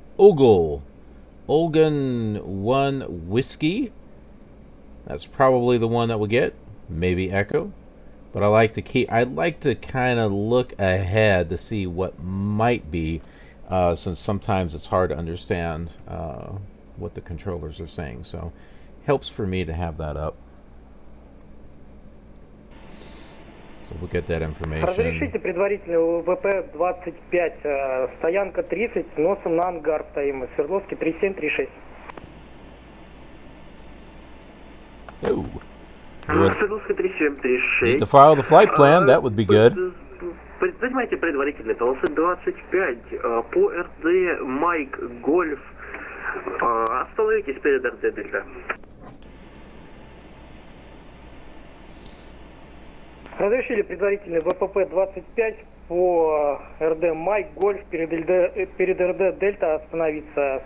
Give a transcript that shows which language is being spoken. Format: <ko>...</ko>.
<en>Olgan 1 Whiskey. That's probably the one that we get. Maybe Echo. But I like to keep, I like to kind of look ahead to see what might be, since sometimes it's hard to understand what the controllers are saying. So helps for me to have that up. So we'll get that information.</en> <ru>Разрешите предварительно ВП 25, стоянка 30, носом на ангар стоим, Свердловский 3736. Ooh.</ru> <en>Need to file the flight plan, that would be good.</en> <ru>Занимайте предварительный полосы 25 по РД Майк Гольф. Остановитесь перед РД Дельта. Разрешили предварительный ВПП 25 по РД Майк Гольф перед РД Дельта остановиться.</ru>